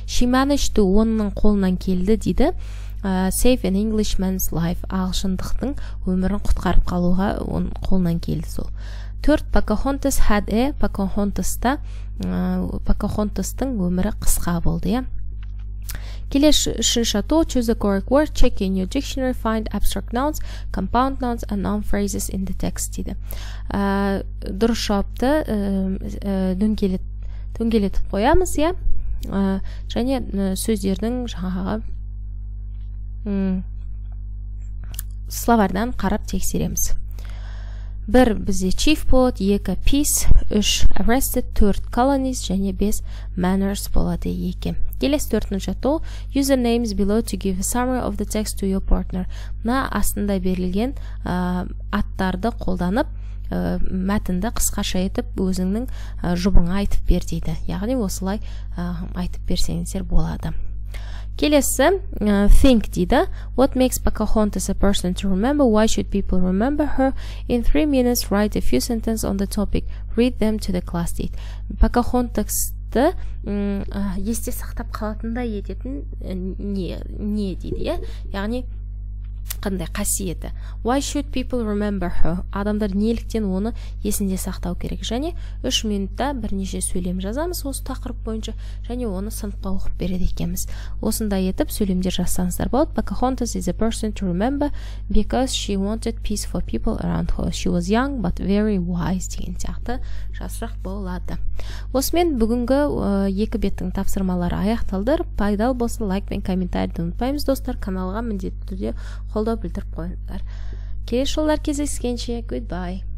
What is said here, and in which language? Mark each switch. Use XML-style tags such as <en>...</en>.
<en>She managed to,</en> <kk>оның қолынан келді, дейді.</kk> <en>Save an Englishman's life.</en> <kk>Ағылшындықтың өмірін құтқарып қалуға оның қолынан келді сол. Төрт, Pocahontas</kk> <en>had a,</en> <kk>Pocahontas-та, Pocahontas-тың өмірі қысқа болды. Келеш үшінші ту,</kk> <en>choose the correct word, check in your dictionary, find abstract nouns, compound nouns and noun phrases in the text,</en> <kk>дейді. Дұрыс жауапты дөңгелетіп қоямыз, және сөздердің жаңағы словардан қарап тексереміз. Бір, бізде chief болады, екі peace, үш arrested, төрт colonies, және бес manners болады екен. Келесі төртінші тол.</kk> <en>User names below to give a summary of the text to your partner.</en> <kk>На астында берілген аттарды қолданып, мәтінді қысқаша етіп, өзіңнің жұбыңа айтып бер дейді. Яғни осылай айтып берсеңіздер болады. Келесі, think дейді.</kk> <en>What makes Pocahontas a person to remember? Why should people remember her? In 3 minutes, write a few sentences on the topic. Read them to the class</en> <kk>дейді. Pocahontas есте сақтап қалатындай ететін не дейді, иә? Яғни қандай қасиеті?</kk> <en>Why should people remember her?</en> <kk>Адамдар неліктен оны есінде сақтау керек? Және 3 минутта бірнеше сөйлем жазамыз осы тақырып бойынша, және оны сыныпқа оқып береді екенбіз. Осындай етіп сөйлемдер жазсаңыздар болады.</kk> <en>Pocahontas is a person to remember because she wanted peace for people around her. She was young but very wise</en> <kk>деген сияқты жазсақ болады. Осымен бүгінгі екі беттің тапсырмалары аяқталды. Пайдалы болса лайк пен комментарийді ұмытпаймыз достар. Каналға міндетті түрде қолдау білдіріп қойыңыздар. Келесі жолы кездескенше, goodbye.</kk>